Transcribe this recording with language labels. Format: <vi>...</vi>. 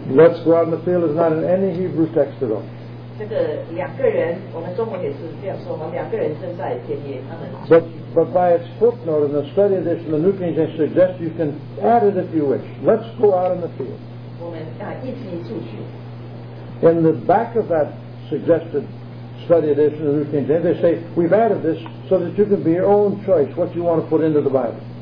<en>Let's go out in the field is not in any Hebrew text at all.</en> <zh>这个两个人，我们中文也是这样说，我们两个人正在田野，他们。</zh> <en>But by its footnote in the study edition, the New King James suggests you can add it if you wish. Let's go out in the field.</en> <zh>我们一起出去。</zh> <en>In the back of that suggested study edition of the New King James, they say, we've added this so that you can be your own choice what you want to put into the Bible.</en>